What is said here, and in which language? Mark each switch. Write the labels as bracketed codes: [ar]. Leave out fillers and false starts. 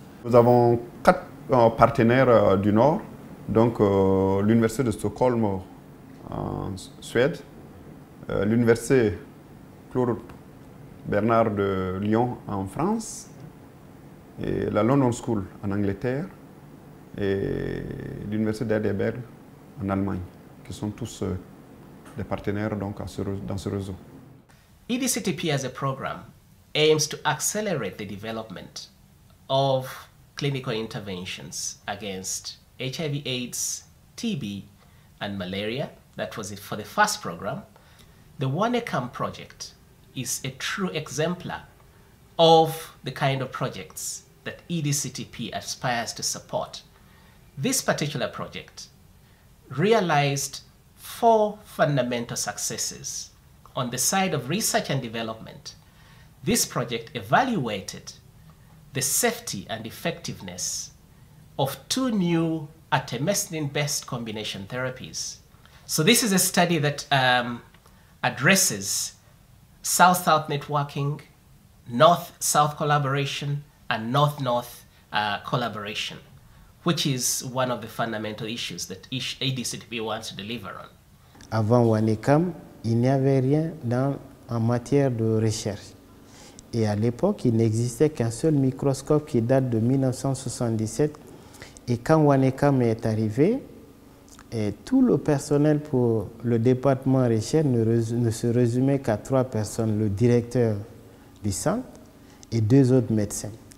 [fr] Nous avons quatre partenaires du Nord, donc l'Université de Stockholm en Suède, l'Université Claude-Bernard de Lyon en France, et la London School en Angleterre, et l'Université d'Heidelberg en Allemagne, qui sont tous des partenaires donc, dans ce réseau. [en] EDCTP as a program aims to accelerate the development of clinical interventions against HIV/AIDS, TB, and malaria. That was it for the first program. The WANECAM project is a true exemplar of the kind of projects that EDCTP aspires to support. This particular project realized four fundamental successes. On the side of research and development, this project evaluated the safety and effectiveness of two new artemisinin-based combination therapies. So this is a study that addresses South-South networking, North-South collaboration, and North-North collaboration, which is one of the fundamental issues that ADCTP wants to deliver on. [fr] Avant WANECAM, il n'y avait rien en matière de recherche. Et à l'époque, il n'existait qu'un seul microscope qui date de 1977. Et quand WANECAM est arrivé, et tout le personnel pour le département recherche ne se résumait qu'à trois personnes, le directeur du centre et deux autres médecins.